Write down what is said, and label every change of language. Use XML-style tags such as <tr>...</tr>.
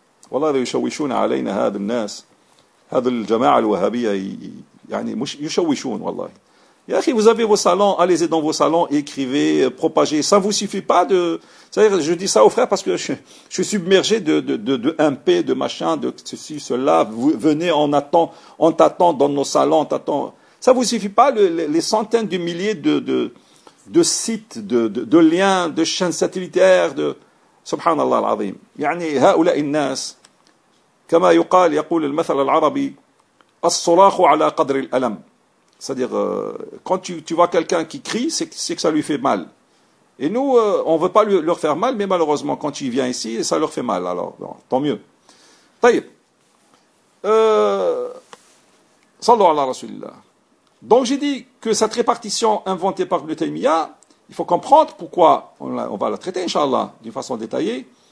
<ar>والله هذا يشوشون علينا هذا الناس، هذا الجماعة الوهابية يعني مش يشوشون والله. يا أخي</ar> <fr>vous avez vos salons, allez-y dans vos salons, écrivez, propagez. Ça vous suffit pas de. C'est-à-dire, je dis ça aux frères parce que je suis submergé de MP, de machin, de ceci, cela. Vous, venez, on t'attend dans nos salons, on t'attend. Ça vous suffit pas les centaines de milliers de sites, de liens, de chaînes satellitaires, de.</fr> <ar>Subhanallah al-Azim. يعني هؤلاء الناس, كما يقال, يقول المثل العربي, الصراخ على قدر الألم.</ar> <fr>C'est-à-dire, quand tu vois quelqu'un qui crie, c'est que ça lui fait mal. Et nous, on ne veut pas leur faire mal, mais malheureusement, quand il vient ici, ça leur fait mal. Alors, bon, tant mieux. Taïb.</fr> <ar>Sallu ala Rasulillah.</ar> <fr>Donc, j'ai dit que cette répartition inventée par Ibn Taymiyyah, il faut comprendre pourquoi on va la traiter, Inch'Allah, d'une façon détaillée.</fr>